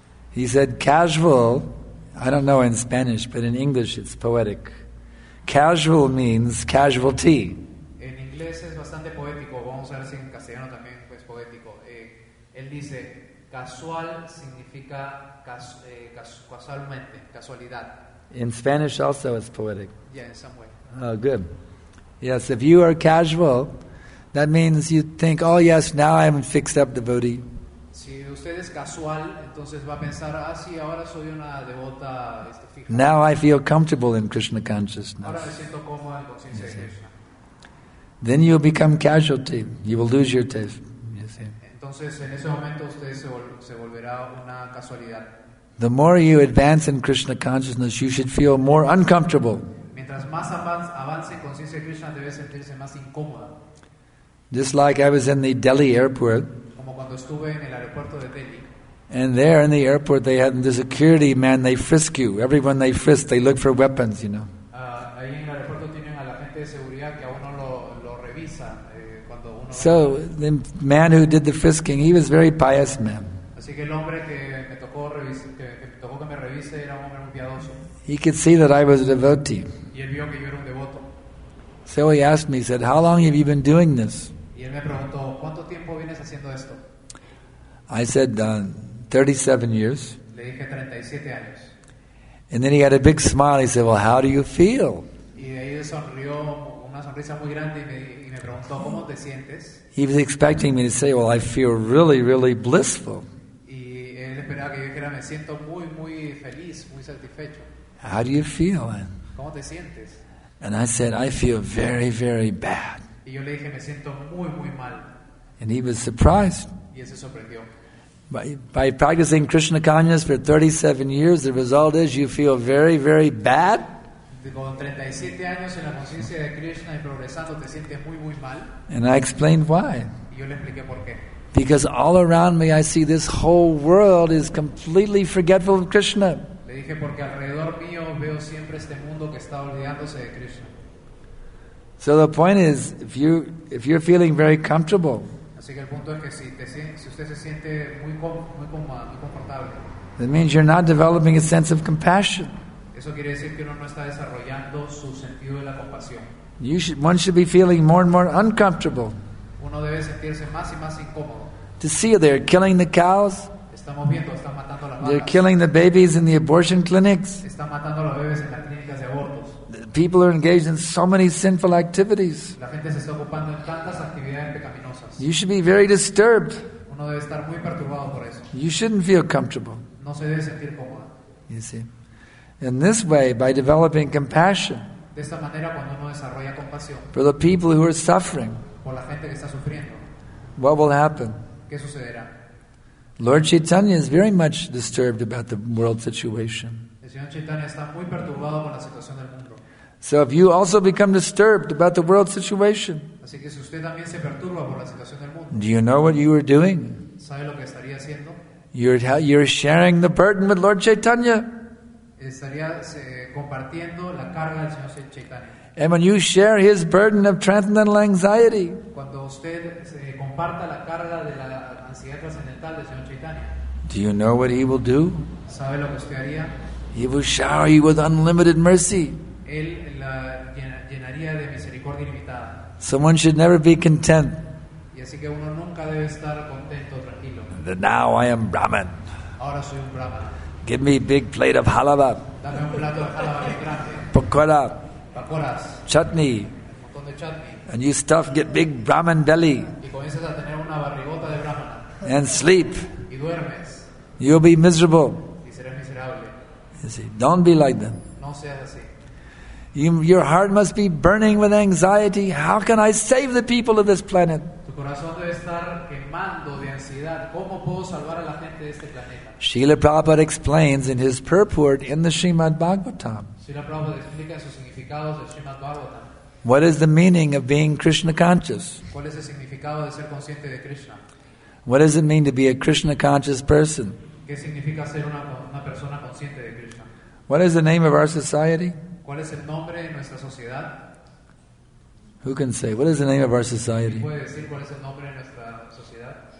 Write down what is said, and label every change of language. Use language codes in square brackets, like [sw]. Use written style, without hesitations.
[en] He said, casual, I don't know in Spanish, but in English it's poetic. Casual means casualty. [es] En inglés es bastante poético, vamos a ver si en castellano también es poético. Él dice, casual significa casualmente, casualidad. [en] In Spanish also it's poetic. Yeah, in some way. Oh, good. Yes, if you are casual, that means you think, oh yes, now I'm a fixed up devotee. [es] Si usted es casual, entonces va a pensar, ah sí, ahora soy una devota fija. [en] Now I feel comfortable in Krishna consciousness. [es] Ahora me siento cómoda en conciencia de Krishna. [en] Then you will become casualty. You will lose your taste. [es] Entonces en ese momento usted se volverá una casualidad. [en] The more you advance in Krishna consciousness, you should feel more uncomfortable. [es] Mientras más avance en conciencia de Krishna, debe sentirse más incómoda. [en] Just like I was in the Delhi airport. [es] Como cuando estuve en el aeropuerto de Delhi. [en] And there in the airport they had the security man, they frisk you. Everyone they frisk, they look for weapons, you know. [es] Ahí en el aeropuerto tienen a la gente de seguridad que a uno lo revisa cuando uno. [en] So the man who did the frisking, he was very pious man. [es] Así que el hombre que me tocó que me revise era un hombre muy piadoso. [en] He could see that I was a devotee. [es] Y él vio que yo era un devoto. [en] So he asked me, he said, how long have you been doing this? [es] Y él me preguntó, ¿cuánto tiempo vienes haciendo esto? [en] I said, 37 years. [es] Le dije 37 años. [en] And then he had a big smile. He said, well, how do you feel? [es] Y de ahí sonrió una sonrisa muy grande y me preguntó, ¿cómo te sientes? [en] He was expecting me to say, well, I feel really, really blissful. [es] Y él esperaba que yo dijera, me siento muy, muy feliz, muy satisfecho. [en] How do you feel? [es] ¿Cómo te sientes? [en] And I said, I feel very, very bad. [es] Y yo le dije, me siento muy, muy mal. [en] And he was surprised. [es] Y él se sorprendió. [en] By practicing Krishna consciousness for 37 years, the result is you feel very, very bad. [es] Con 37 años en la conciencia de Krishna y progresando, te sientes muy, muy mal. [en] And I explained why. [es] Y yo le expliqué por qué. [en] Because all around me I see this whole world is completely forgetful of Krishna. [es] Le dije, porque alrededor mío veo siempre este mundo que está olvidándose de Krishna. [en] So the point is, if you're feeling very comfortable, that means you're not developing a sense of compassion. [es] Eso quiere decir que uno no está desarrollando su sentido de la compasión. [en] One should be feeling more and more uncomfortable. [es] Uno debe sentirse más y más incómodo. [en] To see they're killing the cows. [es] Estamos viendo, están matando las vacas. [en] They're killing the babies in the abortion clinics. [es] Están matando a los bebés en las clínicas de abortos. [en] People are engaged in so many sinful activities. [es] La gente se está ocupando en tantas actividades pecaminosas. [en] You should be very disturbed. [es] Uno debe estar muy perturbado por eso. [en] You shouldn't feel comfortable. [es] No se debe sentir cómoda. [en] You see. In this way, by developing compassion, [es] de esta manera, cuando uno desarrolla compasión, [en] for the people who are suffering, [es] por la gente que está sufriendo, [en] what will happen? [es] ¿Qué sucederá? [en] Lord Chaitanya is very much disturbed about the world situation. [es] El señor Chaitanya está muy perturbado con la situación del mundo. [en] So if you also become disturbed about the world situation, [es] así que si usted también se perturba por la situación del mundo, [en] do you know what you are doing? [es] ¿Sabe lo que estaría haciendo? [en] You're sharing the burden with Lord Chaitanya. [es] Estaría compartiendo la carga del señor Chaitanya. [en] And when you share his burden of transcendental anxiety, [es] cuando usted comparta la carga de la ansiedad trascendental del señor Chaitanya, [en] do you know what he will do? [es] ¿Sabe lo que usted haría? [en] He will shower you with unlimited mercy. [es] Él la llenaría de misericordia ilimitada. [en] Someone should never be content. [es] Y así que uno nunca debe estar contento, tranquilo. [en] But now I am Brahman. [es] Ahora soy un Brahman. [en] Give me a big plate of halava. [es] Dame un plato de halava grande. [en] Pakora. [es] Pakoras. [en] Chutney. [es] Un montón de chutney. [en] And you stuff get big Brahman belly. [es] Y comienzas a tener una barrigota de Brahman. [en] And sleep. [es] Y duermes. [en] You'll be miserable. [es] Y serás miserable. [en] You see, don't be like them. [es] No seas así. [en] Your heart must be burning with anxiety. How can I save the people of this planet? [es] Tu corazón debe estar quemando de ansiedad. ¿Cómo puedo salvar a la gente de este planeta? [en] Srila Prabhupada explains in his purport in the Srimad Bhagavatam. [es] Srila Prabhupada explica sus significados del Srimad Bhagavatam. [en] What is the meaning of being Krishna conscious? [es] ¿Cuál es el significado de ser consciente de Krishna? [en] What does it mean to be a Krishna conscious person? [es] ¿Qué significa ser una persona consciente de Krishna? [en] What is the name of our society? [es] ¿Cuál es el nombre de nuestra sociedad? [en] Who can say? What is the name of our society? [es] ¿Quién puede decir cuál es el nombre de nuestra sociedad?